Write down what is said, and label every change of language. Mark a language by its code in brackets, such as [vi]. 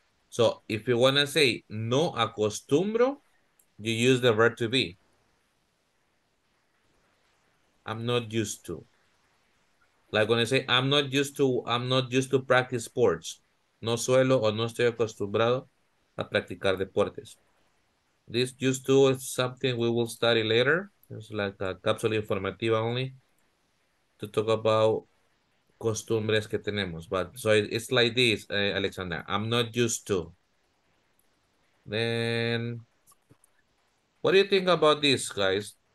[en] So if you want to say [es] no acostumbro, [en] you use the verb to be. I'm not used to. Like when I say I'm not used to practice sports. [es] No suelo o no estoy acostumbrado a practicar deportes. [en] This used to is something we will study later. It's like a [es] cápsula informativa [en] only to talk about [es] costumbres que tenemos. [en] But so it's like this, Alexander. I'm not used to. Then, what do you think about this, guys?